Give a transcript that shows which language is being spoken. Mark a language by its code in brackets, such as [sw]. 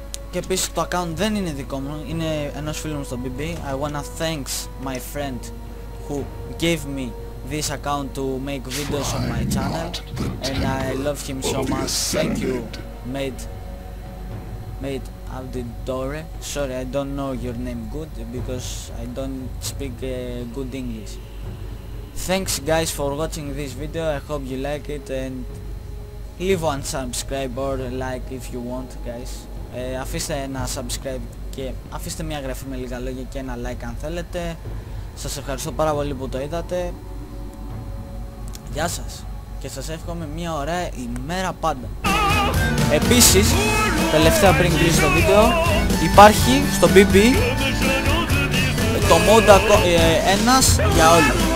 [el] Και επίσης το account δεν είναι δικό μου, είναι ενός φίλου μου στο BB. [en] I wanna thanks my friend who gave me this account to make videos on my channel. And I love him so much. Thank you, mate Auditore. Sorry, I don't know your name good because I don't speak good English. Thanks guys for watching this video. I hope you like it and leave one subscribe or like if you want, guys. [el] Αφήστε ένα subscribe και αφήστε μια γραφή με λίγα λόγια και ένα like αν θέλετε. Σας ευχαριστώ πάρα πολύ που το είδατε. Γεια σας και σας εύχομαι μια ωραία ημέρα πάντα. Επίσης, τελευταία πριν κλείσω το βίντεο, υπάρχει στο BB το mode ένας για όλοι.